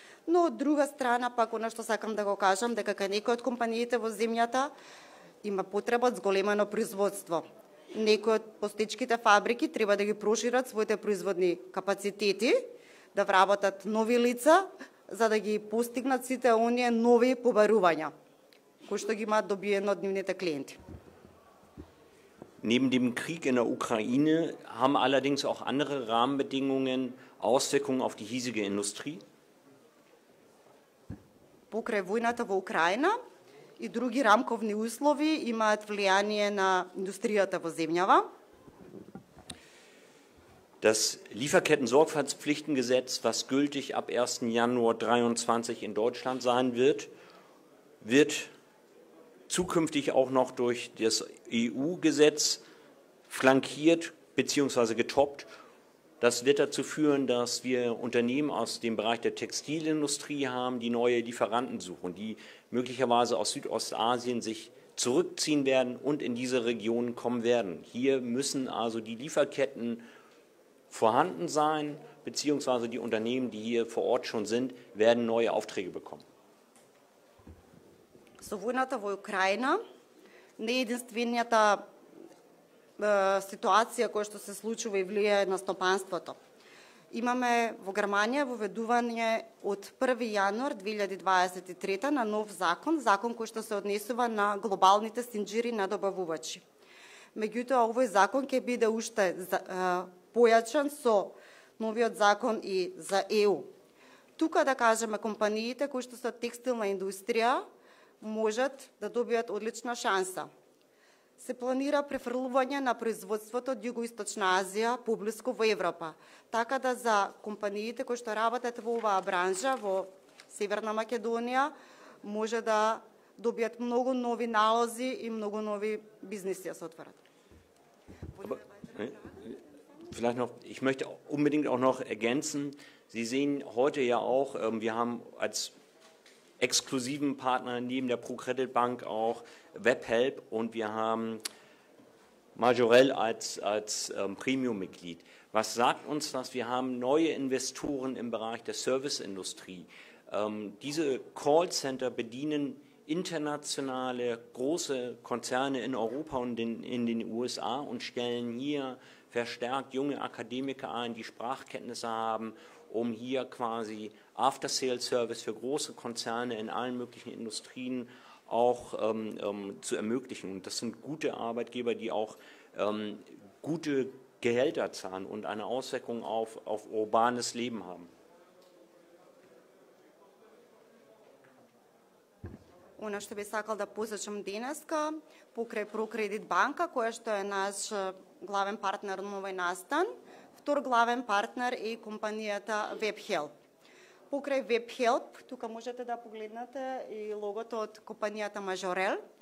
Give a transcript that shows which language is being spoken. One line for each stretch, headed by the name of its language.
Macedonian: Но од друга страна, пак оно што сакам да го кажам, дека кај некои од компаниите во земјата има потреба од зголемено производство. Некои од постичките фабрики треба да ги прошират своите производни капацитети, да вработат нови лица, за да ги постигнат сите оние нови побарувања, кои што ги имаат добиено од нивните клиенти.
German: Neben dem Krieg in der Ukraine haben allerdings auch andere Rahmenbedingungen Auswirkungen auf die hiesige Industrie.
Macedonian: Покрај војната во Украина и други рамковни услови имаат влијание на индустријата во земјава.
German: Das Lieferketten-Sorgfaltspflichtengesetz, was gültig ab 1. Januar 2023 in Deutschland sein wird, wird zukünftig auch noch durch das EU-Gesetz flankiert bzw. getoppt. Das wird dazu führen, dass wir Unternehmen aus dem Bereich der Textilindustrie haben, die neue Lieferanten suchen, die möglicherweise aus Südostasien sich zurückziehen werden und in diese Regionen kommen werden. Hier müssen also die Lieferketten vorhanden sein, beziehungsweise die Unternehmen, die hier vor Ort schon sind, werden neue Aufträge bekommen.
Macedonian: Со војната во Украина, не единствената ситуација која што се случува и влијае на стопанството. Имаме во Германија воведување од 1. јануар 2023 на нов закон, закон кој што се однесува на глобалните синџири на добавувачи. Меѓутоа, овој закон ќе биде уште појачен со новиот закон и за ЕУ. Тука, да кажеме, компаниите кои што се текстилна индустрија, можат да добијат одлична шанса. се планира префрлување на производството од југоисточна Азија поблиску во Европа. Така да за компаниите кои што работат во оваа бранжа во Северна Македонија може да добијат многу нови налози и многу нови бизнеси да се отворат.
German: Vielleicht noch, ich möchte unbedingt auch noch ergänzen, Sie sehen heute ja auch, wir haben als exklusiven Partner neben der ProCredit Bank auch WebHelp und wir haben Majorel als Premium-Mitglied. Was sagt uns das? Wir haben neue Investoren im Bereich der Serviceindustrie. Diese Callcenter bedienen internationale große Konzerne in Europa und in den USA und stellen hier verstärkt junge Akademiker ein, die Sprachkenntnisse haben, um hier quasi After-Sales-Service für große Konzerne in allen möglichen Industrien auch zu ermöglichen. Und das sind gute Arbeitgeber, die auch gute Gehälter zahlen und eine Auswirkung auf urbanes Leben haben.
Macedonian: Она што би сакал да посочам денеска, покрај ProCredit Банка, која што е наш главен партнер на овој настан, втор главен партнер е компанијата WebHelp. Покрај WebHelp, тука можете да погледнете и логото од компанијата Majorel.